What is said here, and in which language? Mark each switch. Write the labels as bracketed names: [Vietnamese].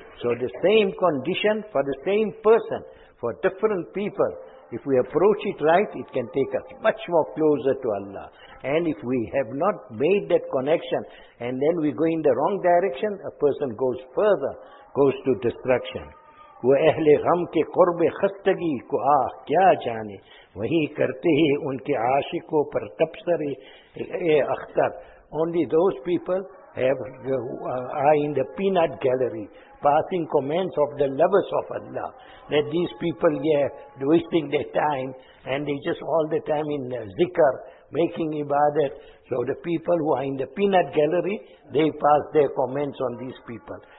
[English] So the same condition for the same person, for different people, if we approach it right, it can take us much more closer to Allah. And if we have not made that connection, and then we go in the wrong direction, a person goes further, goes to destruction. [Urdu] وہ اہلِ غم کے قربِ خستگی کو آہ کیا جانے وہی کرتے ہیں ان کے عاشقوں پر تبصرے اے Akhtar. [English] Only those people are in the peanut gallery, passing comments of the lovers of Allah. That these people, wasting their time, and they just all the time in zikr, making ibadat. So the people who are in the peanut gallery, they pass their comments on these people.